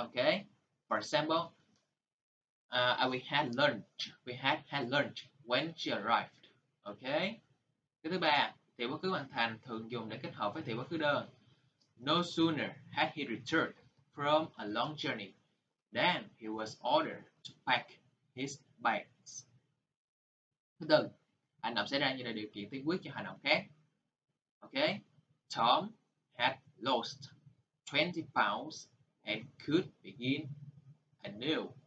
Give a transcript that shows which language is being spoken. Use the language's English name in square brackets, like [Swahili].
[English] Ok, for example, we had lunch when she arrived. [Vietnamese] Ok, cái thứ ba, thì quá khứ hoàn thành thường dùng để kết hợp với thì quá khứ đơn. [English] No sooner had he returned from a long journey than he was ordered to pack his bags. [Vietnamese] Thứ tư, hành động xảy ra như là điều kiện tiên quyết cho hành động khác. [English] Ok, Tom had lost 20 pounds and could begin anew.